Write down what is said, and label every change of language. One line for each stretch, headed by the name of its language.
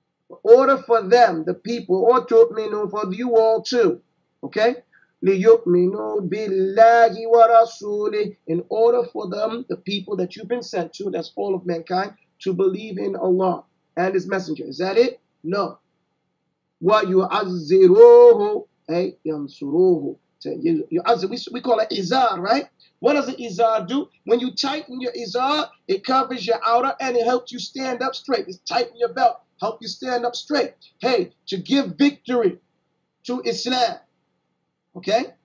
English: In order for them, the people. Or تُؤْمِنُوا, for you all too.
Arabic: Okay? لِيُؤْمِنُوا بِاللَّهِ وَرَسُولِهِ.
English: In order for them, the people that you've been sent to, that's all of mankind, to believe in Allah and his messenger. Is that it?
Arabic: No. وَيُعَزِّرُوهُ. أي ينصروه.
English: you as we call it izar, right? What does the izar do? When you tighten your izar, it covers your outer and it helps you stand up straight. It's tighten your belt, help you stand up straight. Hey, to give victory to Islam. Okay?